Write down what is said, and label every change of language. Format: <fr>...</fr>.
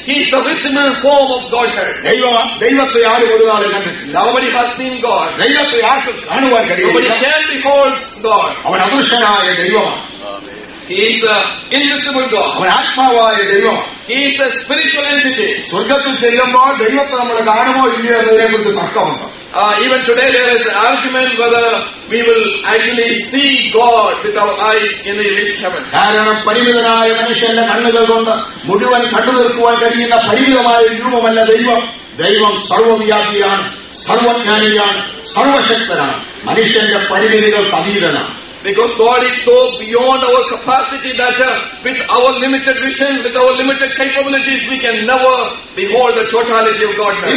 <en>He is the visible form of Godhead.</en> <ml>Deivathai yaaru orunaal kandilla.</ml> <en>Nobody has seen God.</en> <ml>Deivathai yaaru kaanuvan kayina.</ml> <en>Nobody can behold God.</en> <ml>Avan adrushyanaya deivam.</ml> <en>He is an invisible God.</en> <ml>Avan aatmavaya deivam.</ml> <en>He is a spiritual entity.</en> <ml>സ്വർഗത്തിൽ ചെല്ലുമ്പോൾ ദൈവത്തെ നമ്മൾ കാണുമോ ഇല്ലയോ എന്നതിനെ കുറിച്ച് തർക്കമുണ്ട്.</ml> <en>Even today there is an argument whether we will actually see God with our eyes in the invisible heaven.</en> <ml>കാരണം പരിമിതനായ മനുഷ്യന്റെ കണ്ണുകൾ കൊണ്ട് മുഴുവൻ കണ്ടുതീർക്കുവാൻ കഴിയുന്ന പരിമിതമായ രൂപമല്ല ദൈവം. ദൈവം സർവവ്യാപിയാണ്, സർവജ്ഞാനിയാണ്, സർവശക്തനാണ്. മനുഷ്യന്റെ പരിമിതികൾ അതീതനാണ്.</ml> <en>Because God is so beyond our capacity that with our limited vision, with our limited capabilities, we can never behold the totality of God.</en>